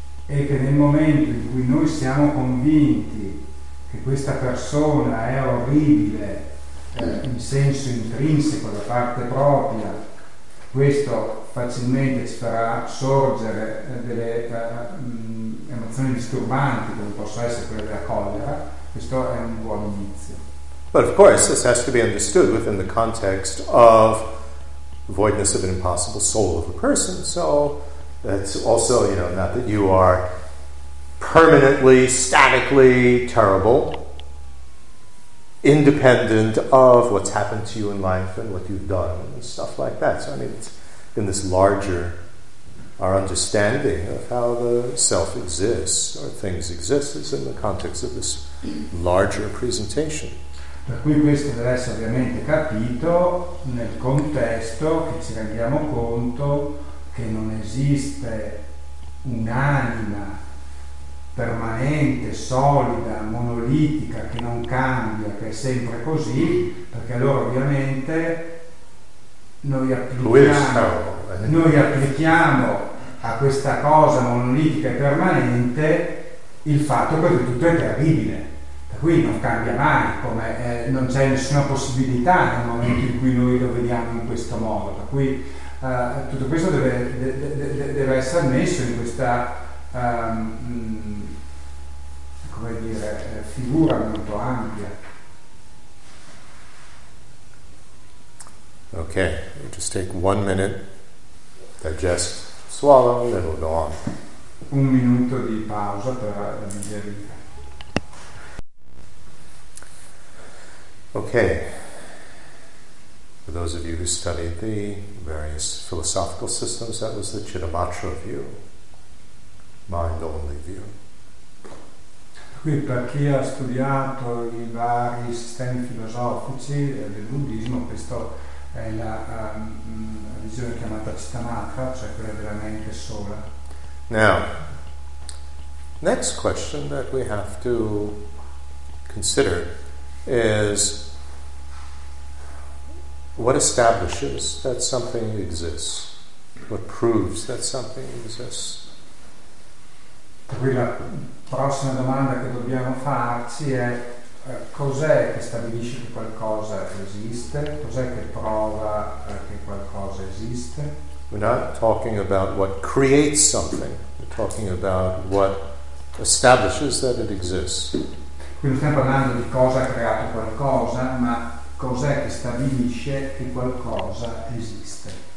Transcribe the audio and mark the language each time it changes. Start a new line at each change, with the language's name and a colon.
Italian: e che nel momento in cui noi siamo convinti che questa persona è orribile in senso intrinseco da parte propria, questo facilmente ci farà sorgere delle emozioni disturbanti come possono essere quelle della collera. Questo è un buon inizio.
English: But of course this has to be understood within the context of voidness of an impossible soul of a person. So it's also, you know, not that you are permanently, statically terrible, independent of what's happened to you in life and what you've done and stuff like that. So, I mean, it's in this larger, our understanding of how the self exists or things exist is in the context of this larger presentation.
Italian: Per cui questo deve essere ovviamente capito nel contesto che ci rendiamo conto che non esiste un'anima permanente, solida, monolitica, che non cambia, che è sempre così, perché allora ovviamente noi applichiamo a questa cosa monolitica e permanente il fatto che tutto è terribile, per cui non cambia mai, come non c'è nessuna possibilità nel momento in cui noi lo vediamo in questo modo, per cui tutto questo deve essere messo in questa come dire, figura molto ampia.
English: Ok, we'll just take 1 minute, digest, swallow, and then we'll go on.
Italian: Un minuto di pausa per digerire. Ok.
English: For those of you who studied the various philosophical systems, that was the Chittamatra view, mind-only view.
Italian: Qui per chi ha studiato i vari sistemi filosofici del buddismo, questa è la visione chiamata cittamatra, cioè quella della mente sola.
English: Now, next question that we have to consider is what establishes that something exists? What proves that something exists?
Italian: Quindi la prossima domanda che dobbiamo farci è cos'è che stabilisce che qualcosa esiste? Cos'è che prova che qualcosa esiste?
English: We're not talking about what creates something. We're talking about what establishes that it exists.
Italian: Quindi non stiamo parlando di cosa ha creato qualcosa, ma cos'è che stabilisce che qualcosa esiste?